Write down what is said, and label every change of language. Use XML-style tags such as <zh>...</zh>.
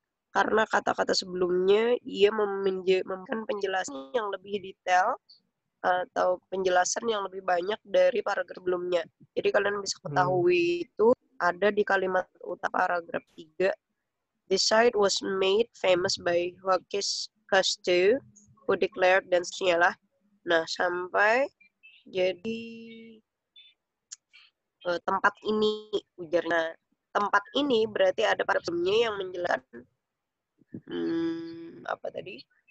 <id>Karena kata-kata sebelumnya ia memberikan penjelasan yang lebih detail atau penjelasan yang lebih banyak dari paragraf sebelumnya. Jadi kalian bisa ketahui itu ada di kalimat utama paragraf 3.</id> <en>The site was made famous by Jacques Cousteau. Who declared</en> <id>dan seterusnya lah. Nah, sampai jadi tempat ini ujarnya. Tempat ini berarti ada para sebelumnya yang menjelaskan apa tadi?</id>